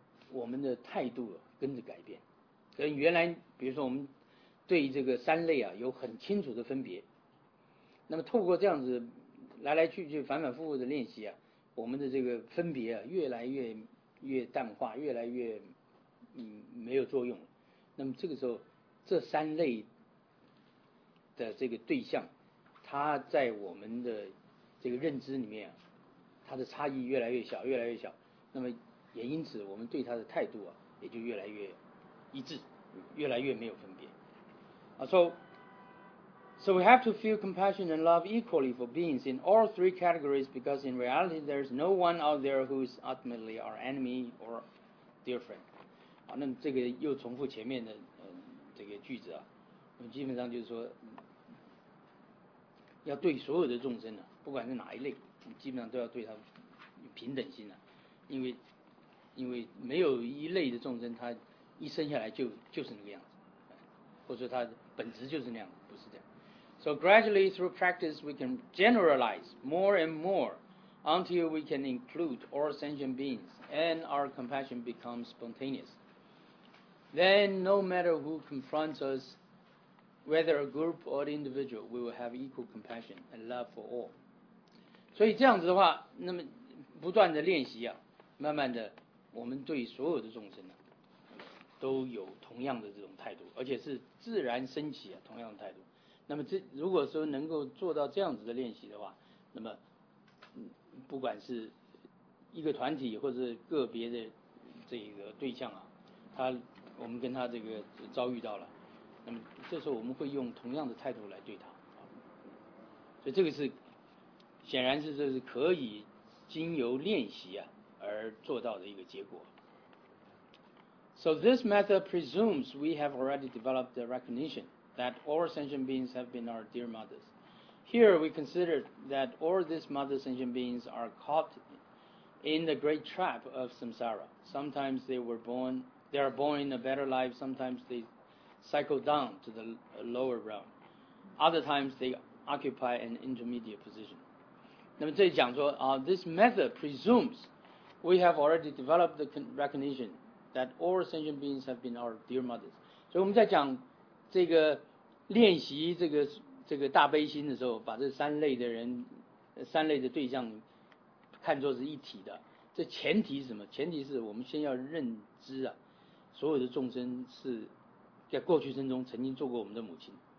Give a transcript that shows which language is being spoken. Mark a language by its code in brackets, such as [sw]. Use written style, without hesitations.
[zh] 我们的态度跟着改变，跟原来比如说我们对这个三类啊有很清楚的分别，那么透过这样子来来去去反反复复的练习啊，我们的这个分别啊越来越淡化，越来越没有作用，那么这个时候这三类的这个对象它在我们的这个认知里面啊，它的差异越来越小，那么也因此我们对他的态度啊也就越来越一致，越来越没有分别。 [en] So we have to feel compassion and love equally for beings in all three categories because in reality there is no one out there who is ultimately our enemy or dear friend. [zh] 好，那这个又重复前面的这个句子啊，我们基本上就是说，要对所有的众生呢、啊，不管是哪一类，基本上都要对他平等心了、啊，因为没有一类的众生，他一生下来就是那个样子，或者说他本质就是那样，不是这样。 [en] So gradually through practice, we can generalize more and more, until we can include all sentient beings, and our compassion becomes spontaneous. Then, no matter who confronts us, whether a group or an individual, we will have equal compassion and love for all. [zh] 所以这样子的话，那么不断的练习啊，慢慢的，我们对所有的众生呢、啊，都有同样的这种态度，而且是自然升起啊，同样的态度。那么这如果说能够做到这样子的练习的话，那么不管是一个团体或者个别的这个对象啊，他我们跟他这个遭遇到了，那么这时候我们会用同样的态度来对他，所以这个是显然是这是可以经由练习啊而做到的一个结果。 [en] So this method presumes we have already developed the recognition. That all sentient beings have been our dear mothers. Here we consider that all these mother sentient beings are caught in the great trap of samsara. Sometimes they are born in a better life, sometimes they cycle down to the lower realm. Other times they occupy an intermediate position. [zh] 那么这里讲说、 [en] this method presumes we have already developed the recognition that all sentient beings have been our dear mothers. [zh] 所以我们在讲这个练习这个大悲心的时候，把这三类的人、三类的对象看作是一体的。这前提是什么？前提是我们先要认知啊，所有的众生是在过去生中曾经做过我们的母亲。